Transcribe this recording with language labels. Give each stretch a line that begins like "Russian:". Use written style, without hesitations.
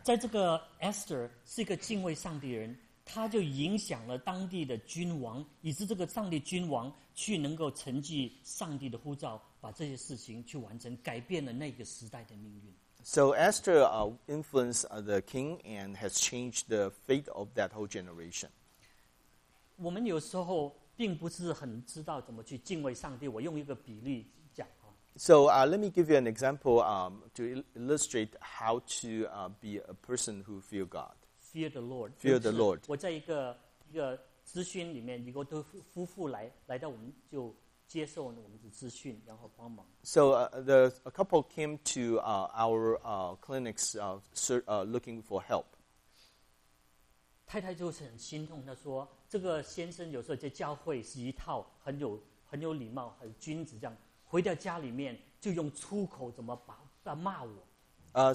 Chinese: 在这个 Esther 是一个敬畏上帝人，他就影响了当地的君王，以致这个上帝君王去能够承继上帝的呼召，把这些事情去完成，改变了那个时代的命运。
English: So Esther influenced the king and has changed the fate of that whole generation.
Chinese: 我们有时候并不是很知道怎么去敬畏上帝。我用一个比例讲啊。
English: So let me give you an example to illustrate how to be a person who fear God. Fear the Lord. Fear the Lord.
Chinese: 我在一个咨询里面，一个夫妇来到我们就接受我们的咨询，然后帮忙。
English: So a couple came to our clinics looking for help.
Chinese: 太太就很心痛，她说。这个先生有时候在教会是一套很有礼貌、很君子这样，回到家里面就用粗口怎么把骂我。